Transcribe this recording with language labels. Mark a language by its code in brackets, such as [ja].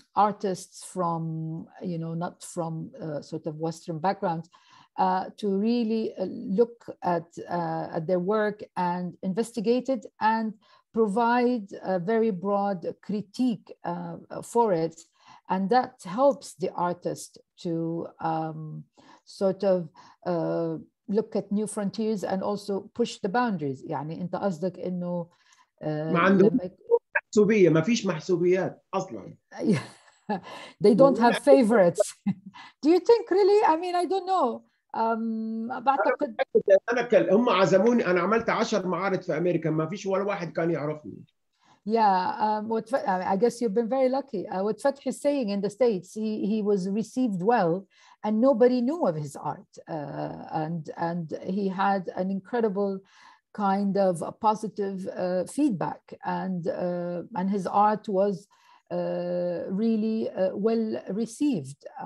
[en] artists from, you know, not from sort of Western backgrounds, to really look at their work and investigate it and provide a very broad critique for it. And that helps the artist to sort of look at new frontiers and also push the boundaries. [ar] يعني انت قصدك انه ما عندهم محسوبية, ما فيش محسوبيات أصلاً. [en] They don't have favorites. Do you think really? I mean, I don't know. [ar] بعتقد أنا هم عزموني, أنا عملت 10 معارض في أمريكا, ما فيش ولا واحد كان يعرفني. [en] Yeah, I guess you've been very lucky. What Fathi is saying in the States, he was received well, and nobody knew of his art. And he had an incredible kind of a positive feedback, and his art was really well received.